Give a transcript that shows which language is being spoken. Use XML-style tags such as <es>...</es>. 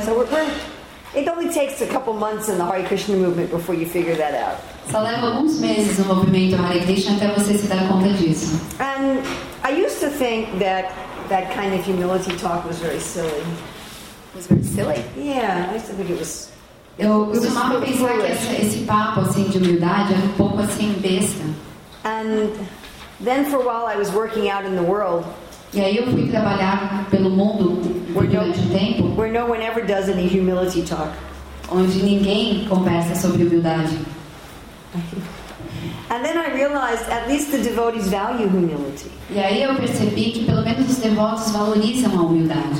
<en>So it only takes a couple months in the Hare Krishna movement before you figure that out.</en> <pt>Só leva alguns meses no movimento Hare Krishna até você se dar conta disso.</pt> <en>And I used to think that that kind of humility talk was very silly. Was very silly? Yeah, I used to think it was.</en> <pt>Eu costumava pensar que esse papo assim de humildade era pouco assim besta.</pt> <en>And then for a while I was working out in the world.</en> <pt>E aí eu fui trabalhar pelo mundo durante um tempo.</pt> <en>Where no one ever does any humility talk.</en> <pt>Onde ninguém conversa sobre humildade.</pt> <en>And then I realized at least the devotees value humility.</en> <pt>E aí eu percebi que pelo menos os devotos valorizam a humildade.</pt>